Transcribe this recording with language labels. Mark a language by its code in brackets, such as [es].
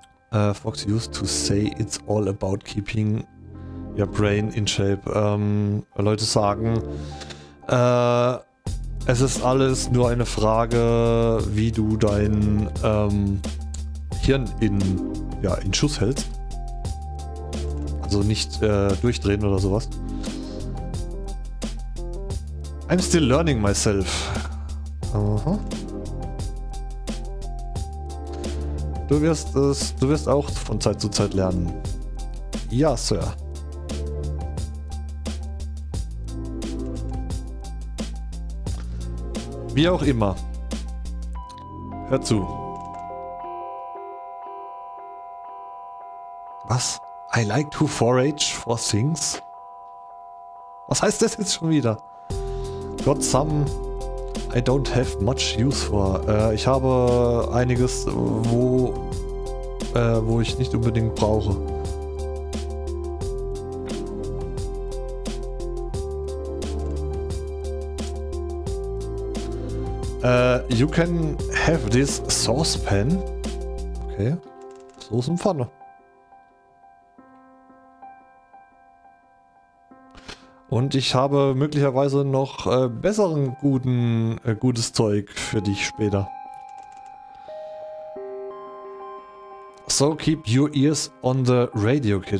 [en] Fox used to say it's all about keeping your brain in shape. [de] Leute sagen, es ist alles nur eine Frage, wie du dein Hirn in Schuss hältst. Also nicht durchdrehen oder sowas. [en] I'm still learning myself. [de] Du wirst auch von Zeit zu Zeit lernen. Ja, Sir. Wie auch immer. Hör zu. Was? [en] I like to forage for things? [de] Was heißt das jetzt schon wieder? [en] Got some... I don't have much use for. [de] Ich habe einiges, wo ich nicht unbedingt brauche. [en] You can have this saucepan. Okay. [de] Soße und Pfanne. Und ich habe möglicherweise noch besseren gutes Zeug für dich später. [en] So keep your ears on the radio, kid.